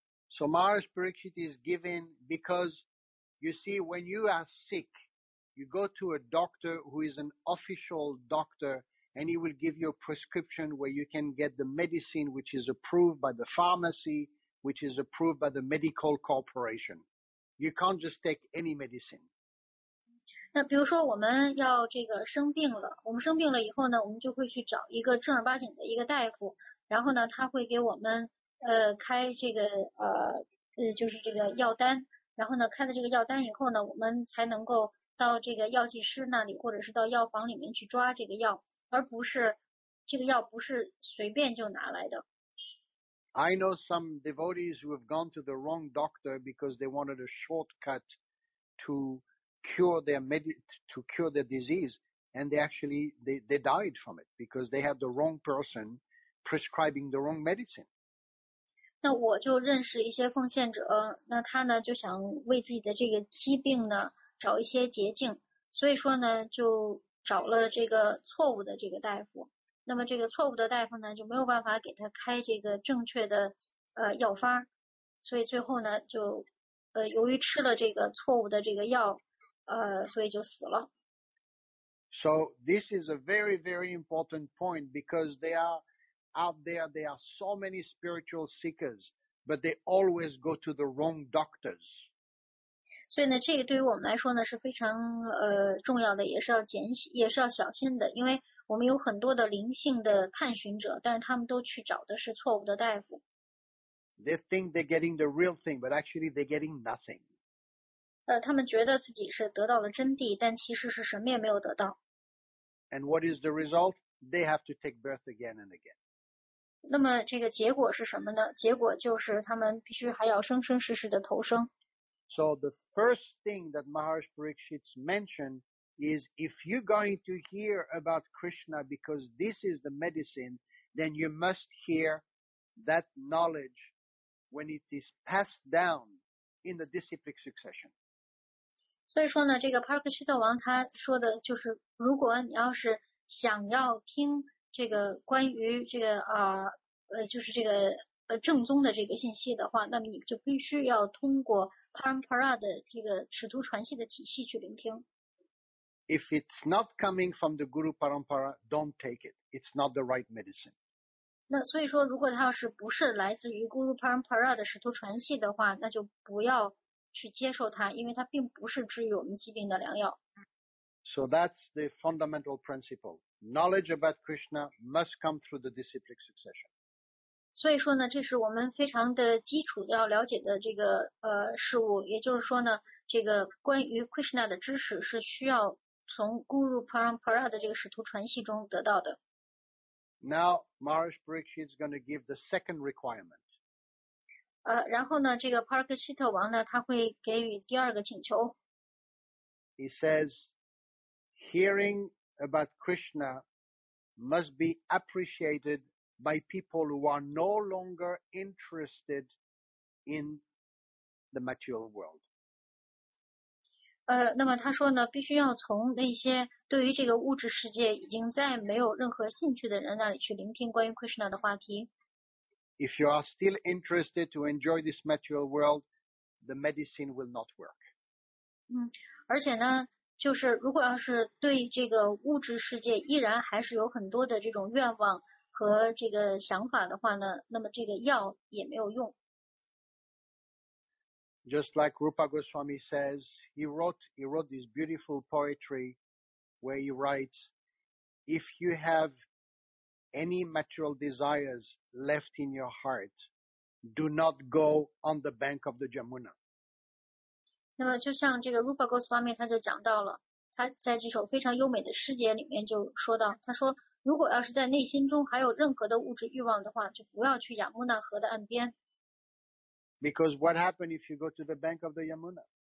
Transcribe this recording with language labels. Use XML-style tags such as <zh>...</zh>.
<en>So Maharaj Parikshit is given because you see when you are sick, you go to a doctor who is an official doctor and he will give you a prescription where you can get the medicine which is approved by the pharmacy, which is approved by the medical corporation. You can't just take any medicine.</en> <zh>那比如说我们要这个生病了，我们生病了以后呢，我们就会去找一个正儿八经的一个大夫，然后呢，他会给我们开这个就是这个药单，然后呢，开了这个药单以后呢，我们才能够到这个药剂师那里，或者是到药房里面去抓这个药，而不是这个药不是随便就拿来的。</zh> <en>I know some devotees who have gone to the wrong doctor because they wanted a shortcut to cure their disease, and they died from it because they had the wrong person prescribing the wrong medicine.</en> <zh>那我就认识一些奉献者，那他呢就想为自己的这个疾病呢找一些捷径，所以说呢就找了这个错误的这个大夫。那么这个错误的大夫呢就没有办法给他开这个正确的药方，所以最后呢就由于吃了这个错误的这个药所以就死了。</zh> <en>So this is a very very important point because they are out there, there are so many spiritual seekers, but they always go to the wrong doctors.</en> <zh>所以呢这个对于我们来说呢是非常重要的，也是要小心的，因为我们有很多的灵性的探寻者，但是他们都去找的是错误的大夫。</zh> <en>They think they're getting the real thing, but actually they're getting nothing.</en> <zh>他们觉得自己是得到了真谛，但其实是什么也没有得到。</zh> <en>And what is the result? They have to take birth again and again.</en> <zh>那么这个结果是什么呢？结果就是他们必须还要生生世世的投生。</zh> <en>So the first thing that Maharaj Parikshit mentioned. Is if you're going to hear about Krishna because this is the medicine, then you must hear that knowledge when it is passed down in the disciplic succession.</en> <zh>所以说呢，这个帕尔格西特王他说的就是，如果你要是想要听这个关于这个就是这个正宗的这个信息的话，那么你就必须要通过 Parampara 的这个使徒传系的体系去聆听。</zh> <en>If it's not coming from the Guru Parampara, don't take it. It's not the right medicine.</en> <zh>那所以说，如果它要是不是来自于 Guru Parampara 的使徒传系的话，那就不要去接受它，因为它并不是治愈我们疾病的良药。</zh> <en>So that's the fundamental principle. Knowledge about Krishna must come through the disciplic succession.</en> <zh>所以说呢，这是我们非常的基础要了解的这个事物，也就是说呢，这个关于 Krishna 的知识是需要。从 Guru Parampara 的这个使徒传系中得到的。</zh> <en>Now, Maharaj Parikshit is going to give the second requirement.</en> <zh>然后呢，这个 Parikshita 王呢，他会给予第二个请求。</zh> <en>He says, hearing about Krishna must be appreciated by people who are no longer interested in the material world.</en> <zh>那么他说呢，必须要从那些对于这个物质世界已经再没有任何兴趣的人那里去聆听关于 Krishna 的话题。</zh> <en>If you are still interested to enjoy this material world, the medicine will not work.</en> <zh>而且呢，就是如果要是对这个物质世界依然还是有很多的这种愿望和这个想法的话呢，那么这个药也没有用。</zh> <en>Just like Rupa Goswami says, he wrote this beautiful poetry where he writes, if you have any material desires left in your heart, do not go on the bank of the Jamuna.</en> <zh>那么就像这个 Rupa Goswami 他就讲到了，他在这首非常优美的诗节里面就说到，他说如果要是在内心中还有任何的物质欲望的话，就不要去亚穆纳河的岸边。</zh> <en>Because what happens if you go to the bank of the Yamuna?</en>